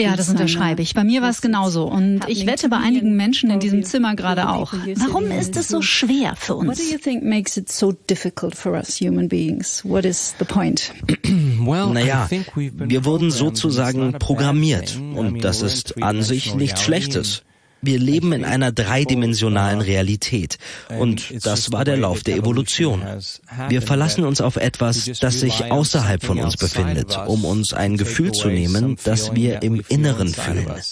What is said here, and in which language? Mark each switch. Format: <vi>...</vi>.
<de>Ja, das unterschreibe ich. Bei mir war es genauso. Und ich wette, bei einigen Menschen in diesem Zimmer gerade auch. Warum ist es so schwer für uns?</de> <en>What do you think makes it so difficult for us human beings? What is the point?</en> <de>Naja, wir wurden sozusagen programmiert. Und das ist an sich nichts Schlechtes. Wir leben in einer dreidimensionalen Realität und das war der Lauf der Evolution. Wir verlassen uns auf etwas, das sich außerhalb von uns befindet, um uns ein Gefühl zu nehmen, das wir im Inneren fühlen.</de>